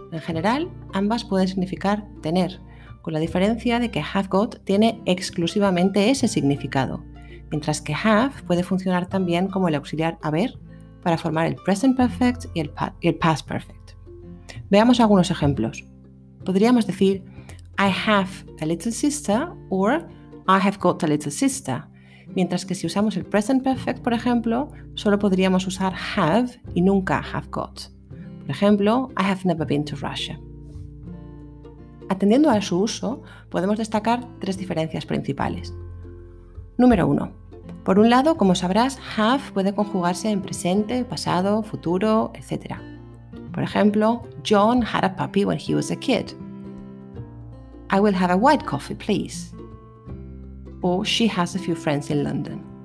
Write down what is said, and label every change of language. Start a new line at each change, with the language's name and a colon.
Spanish: En general, ambas pueden significar tener, con la diferencia de que have got tiene exclusivamente ese significado, mientras que have puede funcionar también como el auxiliar haber para formar el present perfect y el past perfect. Veamos algunos ejemplos.
English: Podríamos decir, I have a little sister or I have got a little sister.
Spanish: Mientras que si usamos el present perfect, por ejemplo, solo podríamos usar have y nunca have got.
English: Por ejemplo, I have never been to Russia.
Spanish: Atendiendo a su uso, podemos destacar tres diferencias principales. Número 1. Por un lado, como sabrás, have puede conjugarse en presente, pasado, futuro, etc.
English: Por ejemplo, John had a puppy when he was a kid. I will have a white coffee, please. O she has a few friends in London.